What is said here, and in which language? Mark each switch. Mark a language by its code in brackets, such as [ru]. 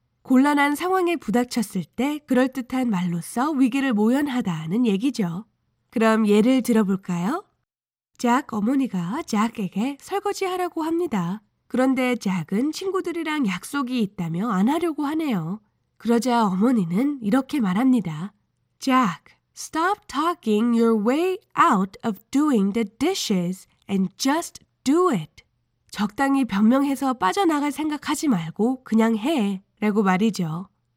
[ko] 곤란한 상황에 부닥쳤을 때 그럴듯한 말로써 위기를 모면하다는 얘기죠. 그럼 예를 들어볼까요? 잭 어머니가 잭에게 설거지하라고 합니다. 그런데 잭은 친구들이랑 약속이 있다며 안 하려고 하네요. 그러자 어머니는 이렇게 말합니다. [en] Jack, stop talking your way out of doing the dishes and just do it. [ko] 적당히 변명해서 빠져나갈 생각하지 말고 그냥 해 라고 말이죠.